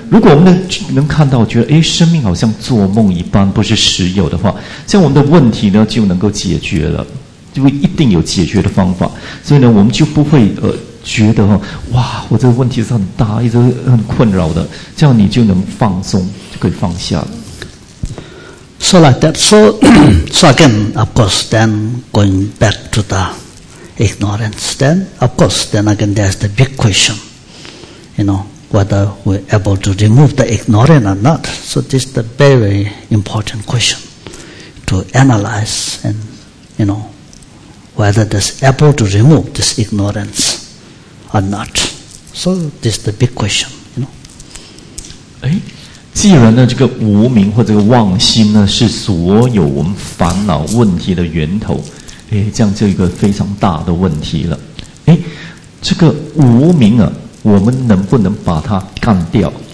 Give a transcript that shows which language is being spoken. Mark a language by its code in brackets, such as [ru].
[zh] 如果我们能看到，觉得哎，生命好像做梦一般，不是实有的话，这样我们的问题呢就能够解决了，就一定有解决的方法。所以呢，我们就不会觉得哇，我这个问题是很大，一直很困扰的，这样你就能放松，就可以放下了。 [en] So like that. So again, of course, then going back to the ignorance. Then, of course, then again, there's the big question. You know, whether we're able to remove the ignorance or not. So this is the very, very important question to analyze, and you know, whether there's able to remove this ignorance. Are not. So this is the big question, you know. [zh] 哎，既然呢，这个无明或这个妄心呢，是所有我们烦恼问题的源头，哎，这样就一个非常大的问题了。哎，这个无明啊，我们能不能把它干掉？